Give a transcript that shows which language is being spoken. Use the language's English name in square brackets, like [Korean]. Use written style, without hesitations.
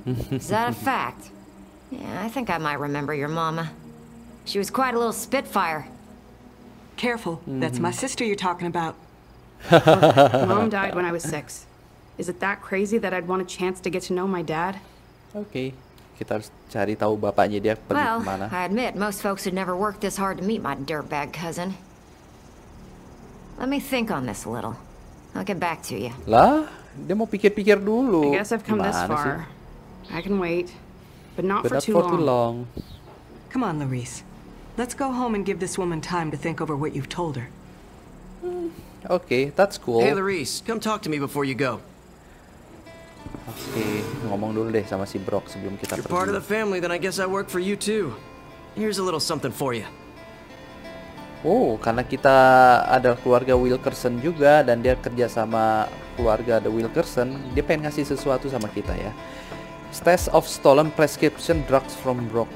[English] Is that a fact? Yeah, I think I might remember your mama. She was quite a little spitfire. Careful, that's my sister you're talking about. Look, Mom died when I was six. Is it that crazy that I'd want a chance to get to know my dad? [Indonesian] Okay, kita harus cari tahu bapaknya dia pergi [English] well, [Indonesian] kemana. [English] Well, I admit most folks would never work this hard to meet my dirtbag cousin. Let me think on this a little. I'll get back to you. [Indonesian] Lah, dia mau pikir-pikir dulu. [English] I guess I've come this far. [Indonesian] Sih? [English] I can wait, but not but for, too, for long. Too long. Come on, Larisse. Let's go home and give this woman time to think over what you've told her. Okay, that's cool. Hey, Larisse, come talk to me before you go. [Indonesian] Okay, ngomong dulu deh sama si Brock sebelum kita pergi. [English] You're part of the family, then I guess I work for you too. Here's a little something for you. [Indonesian] Oh, karena kita adalah keluarga Wilkerson juga dan dia kerja sama keluarga The Wilkerson, dia pengen ngasih sesuatu sama kita ya. [English] Stash of stolen prescription drugs from Brock.